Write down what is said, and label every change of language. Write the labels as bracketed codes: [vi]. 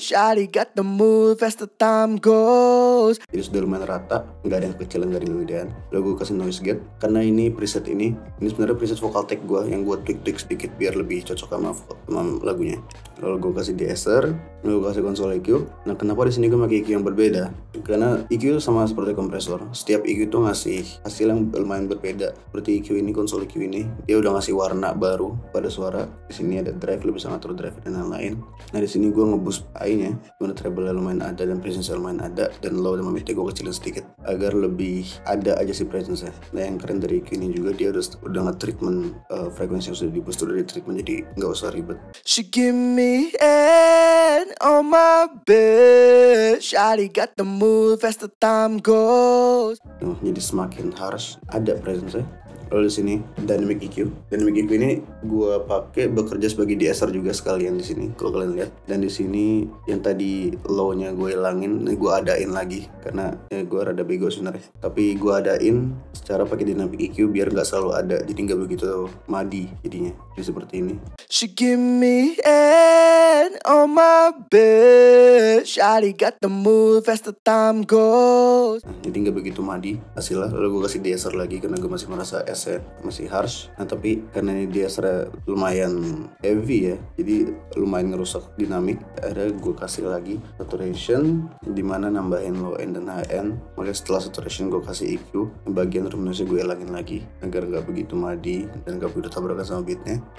[en] Shawty got the move as the time goes. [id] Jadi sudah lumayan rata, gak ada yang kecilan, gak ada yang gedean. Lalu gue kasih noise gate, karena ini preset ini sebenarnya preset vocal take gue yang gue tweak-tweak sedikit biar lebih cocok sama vocal lagunya. Lalu gue kasih de-esser, lalu gue kasih konsol EQ. Nah kenapa di sini gue pakai EQ yang berbeda? Karena EQ sama seperti kompresor. Setiap EQ tuh ngasih hasil yang lumayan berbeda. Seperti EQ ini, konsol EQ ini, dia udah ngasih warna baru pada suara. Di sini ada drive, lu bisa ngatur drive dan lain-lain. Nah di sini gue ngeboost AI-nya, mana treble lumayan ada dan presence lumayan ada, dan low dan mid-nya gue kecilin sedikit agar lebih ada aja si presence-nya. Nah yang keren dari EQ ini juga dia udah nge-treatment frekuensi yang sudah di-boost udah di-treatment, jadi nggak usah ribet. [en] She give me and on my bed, Shawty got the move as the time goes. [id] Nah, jadi semakin harsh, ada presence ya. Lalu di sini dynamic EQ. Dynamic EQ ini gue pakai bekerja sebagai de-esser juga sekalian di sini. Kalau kalian lihat, dan di sini yang tadi low-nya gue ilangin, gue adain lagi karena ya gue rada bego sebenarnya. Tapi gue adain secara pakai dynamic EQ biar nggak selalu ada, jadi nggak begitu muddy jadinya. Jadi seperti ini. [en] She give me an on my bed. Shawty got the move as the time goes. [id] Nah, jadi nggak begitu muddy hasilnya. Lalu gue kasih de-esser lagi karena gue masih merasa esse masih harsh. Nah tapi karena ini de-esser lumayan heavy ya, jadi lumayan ngerusak dinamik. Akhirnya gue kasih lagi saturation, di mana nambahin low end dan high end. Mulai setelah saturation gue kasih EQ. Bagian room noise gue elangin lagi agar nggak begitu muddy dan nggak begitu tabrakan sama beatnya.